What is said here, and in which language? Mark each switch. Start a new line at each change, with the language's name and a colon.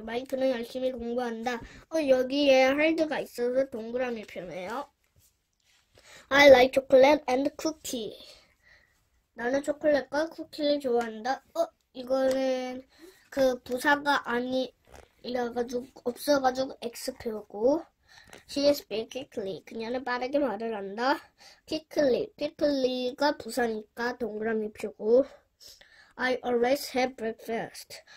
Korean: 마이크는 열심히 공부한다. 여기에 hard가 있어서 동그라미 표네요.
English: I like chocolate and cookie.
Korean: 나는 초콜릿과 쿠키를 좋아한다. 이거는 그 부사가 아니라가지고 없어가지고 X 표고.
English: She is speaking quickly.
Korean: 그녀는 빠르게 말을 한다.
English: Quickly.
Korean: Quickly가 부사니까 동그라미 표고.
English: I always have breakfast.